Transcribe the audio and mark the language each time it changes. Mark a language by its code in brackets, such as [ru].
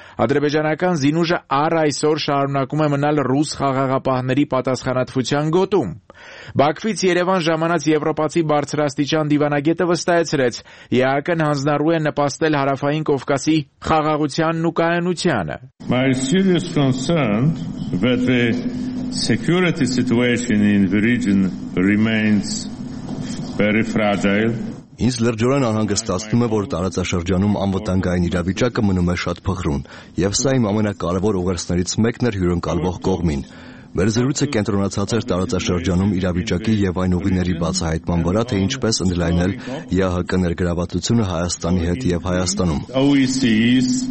[hy] ադրբեջանական զինուժը առ այսօր շարունակում է մնալ ռուս խաղաղապահների պատասխանատվության գոտում։ Բաքվից Երևան ժամանած եվրոպացի բարձրաստիճան դիվանագետը վստահեցրեց, ԵԱԿ-ն հանձնարու է նպաստել հարավային Կովկասի խաղաղությանն ու կայունությանը։ [en] My serious concern that the security situation in the region remains very fragile. [hy] Ինձ լրջորեն անհանգստացնում է, որ տարածաշրջանում անվտանգային իրավիճակը մնում է շատ փխրուն, և սա իմ ամենակարևոր ուղերձներից մեկն էր հյուրընկալվող կողմին։ Մեր զրույցը կենտրոնացած էր տարածաշրջանում իրավիճակի և այն ուղիների բացահայտման վրա, թե ինչպես ընդլայնել ԵԱՀԿ ներգրավվածությունը Հայաստանի հետ և Հայաստանում։